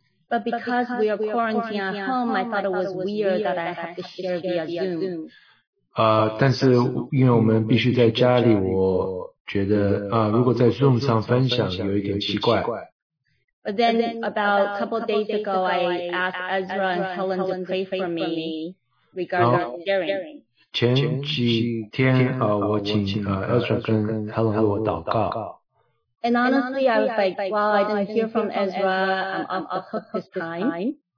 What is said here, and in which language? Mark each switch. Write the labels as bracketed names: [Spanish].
[English] But because we are quarantined at home, I thought it was weird that I have to share via Zoom. [Chinese] 但是因为我们必须在家里，我觉得如果在Zoom上分享有一点奇怪。 [English] But then about a couple of days ago, I asked Ezra and Helen to pray for me regarding sharing. [Chinese] 前几天，我请Ezra跟Helen为我祷告。 [English] And honestly, I was like, well, I didn't hear from Ezra, I'm off hook this time.